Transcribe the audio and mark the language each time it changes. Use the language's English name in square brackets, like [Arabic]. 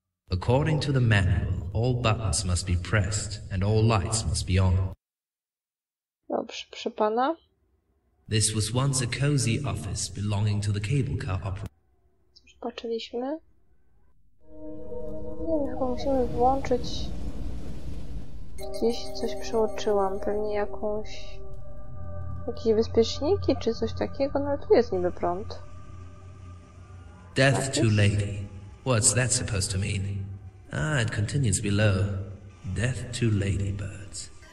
[English] According to the manual, all buttons must be pressed and all lights must be on. [Polish] Dobrze, proszę pana. [English] This was once a cozy office belonging to the cable car operator. [Polish] Już patrzyliśmy. Nie wiem, chyba musimy włączyć. Gdzieś coś przełączyłam, pewnie jakąś. Jakieś bezpieczniki czy coś takiego, no ale tu jest niby prąd. [English] Death to lady. What's that supposed to mean? Ah, it continues below. Death to ladybirds.